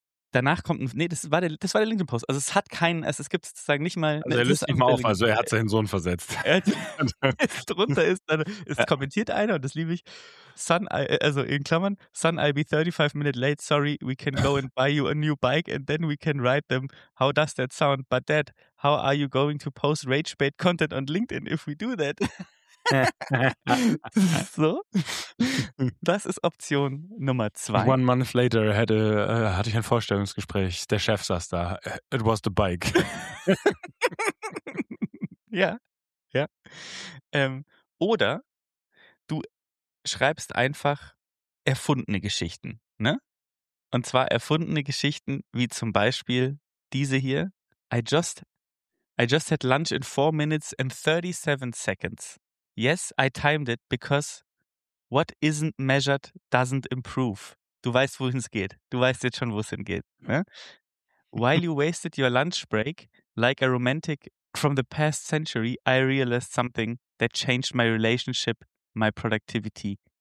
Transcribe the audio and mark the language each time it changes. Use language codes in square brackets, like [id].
[de] Danach kommt ein, nee, das war der LinkedIn-Post. Also es hat keinen, also es gibt sozusagen nicht mal. Also er löst nicht mal auf, also er hat seinen Sohn versetzt. Drunter ist, dann ist kommentiert einer und das liebe ich. [en] Son, [de] also in Klammern, [en] Son, I'll be 35 minutes late, sorry, we can go and buy you a new bike and then we can ride them. How does that sound? But Dad, how are you going to post rage-bait content on LinkedIn if we do that? [de] So, das ist Option Nummer 2. [en] One month later [de] hatte ich ein Vorstellungsgespräch. Der Chef saß da. [en] It was the bike. [de] Ja. Oder du schreibst einfach erfundene Geschichten, ne? Und zwar erfundene Geschichten wie zum Beispiel diese hier. [en] I just had lunch in 4 minutes and 37 seconds. Yes, I timed it because what isn't measured doesn't improve. [de] Du weißt, wohin es geht. Du weißt jetzt schon, wo es hingeht. Ne? [en] While you wasted your lunch break like a romantic from the past century, I realized something that changed my relationship, my productivity.